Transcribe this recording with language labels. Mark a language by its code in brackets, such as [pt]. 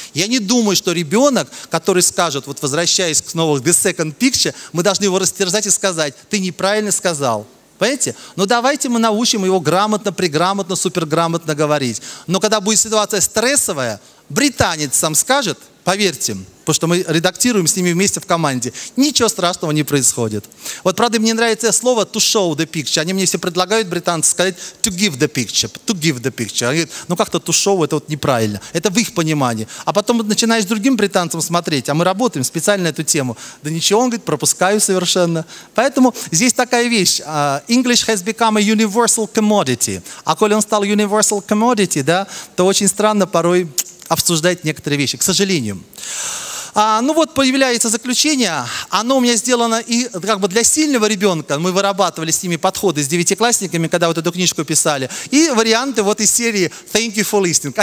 [ru] Я не думаю, что ребенок, который скажет, вот возвращаясь к снова [en] The Second Picture, [ru] мы должны его растерзать и сказать, ты неправильно сказал. Понимаете? Ну, давайте мы научим его грамотно, преграмотно, суперграмотно говорить. Но когда будет ситуация стрессовая, британец сам скажет, поверьте, потому что мы редактируем с ними вместе в команде, ничего страшного не происходит. Вот, правда, мне нравится слово [en] «to show the picture». [ru] Они мне все предлагают, британцы, сказать [en] «to give the picture», [ru] «to give the picture». Они говорят, ну как-то [en] «to show» [ru] — это вот неправильно. Это в их понимании. А потом начинаешь другим британцам смотреть, а мы работаем специально на эту тему. Да ничего, он говорит, пропускаю совершенно. Поэтому здесь такая вещь. [en] English has become a universal commodity. [ru] А коли он стал [en] universal commodity, [ru] да, то очень странно порой обсуждать некоторые вещи, к сожалению. Ну вот появляется заключение, оно у меня сделано и как бы для сильного ребенка, мы вырабатывали с ними подходы с девятиклассниками, когда вот эту книжку писали, и варианты вот из серии [en] «Thank you for listening».